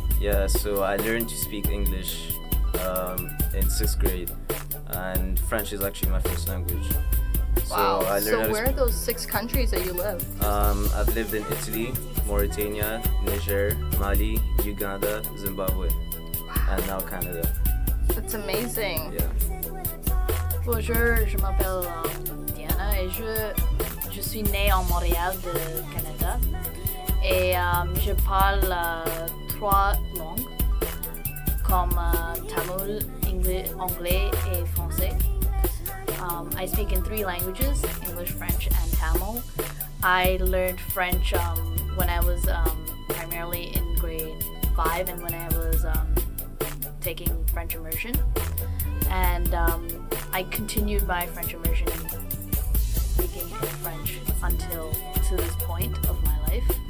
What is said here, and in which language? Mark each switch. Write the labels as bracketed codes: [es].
[en] Yeah, so I learned to speak English in 6th grade. And French is actually my first language. Wow, so where are those 6 countries that you live? I've lived in Italy, Mauritania, Niger, Mali, Uganda, Zimbabwe, and now Canada. That's amazing. Yeah. [fr] Bonjour, je m'appelle Diana et je suis née en Montréal, de Canada. Et je parle 3 langues, comme Tamil, anglais et français. [en] I speak in 3 languages, English, French, and Tamil. I learned French when I was primarily in grade 5 and when I was taking French immersion. And I continued my French immersion speaking in French until to this point of my life.